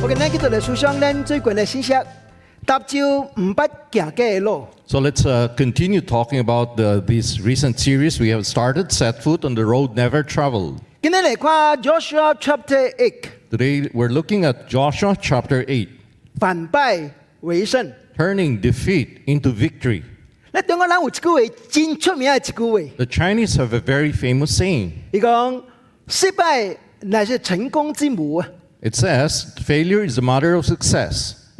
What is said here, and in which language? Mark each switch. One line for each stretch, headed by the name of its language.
Min Nan Chinese: 今天来思想咱最近的信息，搭舟唔捌行过的路。
English: So let's continue talking about this recent series we have started, Set Foot on the Road Never Traveled.
Min Nan Chinese: 今天来看 Joshua Chapter 8.
English: Today we're looking at Joshua Chapter 8.
Min Nan Chinese: 反败为胜。
English: Turning defeat into victory.
Min Nan Chinese: 那中国人有一句话，真出名的一句话。
English: The Chinese have a very famous saying.
Min Nan Chinese: 伊讲失败乃是成功之母。
English: It says, failure is the mother of success.